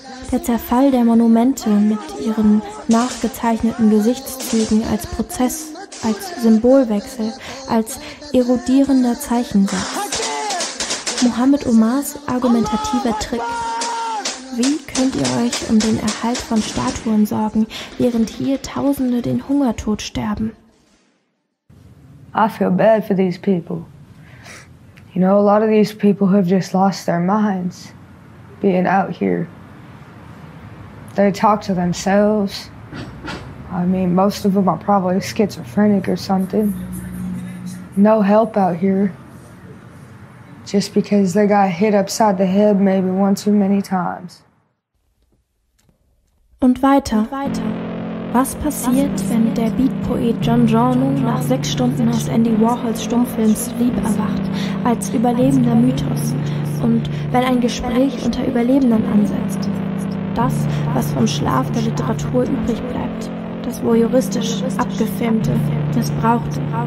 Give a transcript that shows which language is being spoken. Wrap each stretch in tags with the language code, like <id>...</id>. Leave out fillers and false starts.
<de>Der Zerfall der Monumente mit ihren nachgezeichneten Gesichtszügen als Prozess, als Symbolwechsel, als erodierender Zeichensatz. Mohammed Omars argumentativer Trick. Wie könnt ihr euch um den Erhalt von Statuen sorgen, während hier Tausende den Hungertod sterben?</de> <en>I feel bad for these people. You know, a lot of these people have just lost their minds being out here. They talk to themselves. I mean, most of them are probably schizophrenic or something. No help out here. Just because they got hit upside the head maybe one too many times.</en> <de>Und weiter. Und weiter. Was passiert, wenn der Beat-Poet John Giorno nach 6 Stunden aus Andy Warhols Stummfilm Sleep erwacht, als überlebender Mythos? Und wenn ein Gespräch unter Überlebenden ansetzt? Das, was vom Schlaf der Literatur übrig bleibt, das voyeuristisch Abgefilmte, Missbrauchte.</de>